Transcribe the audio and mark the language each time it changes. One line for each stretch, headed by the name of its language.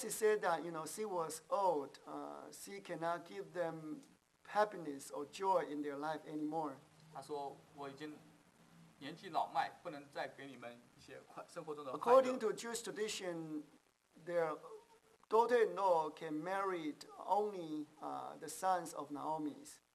English: she said that, you know, she was old, she cannot give them happiness or joy in their life anymore.
Chinese: 她说，我已经年纪老迈，不能再给你们一些快生活中的快乐。
English: According to Jewish tradition, their daughter-in-law can marry only the sons of Naomi's.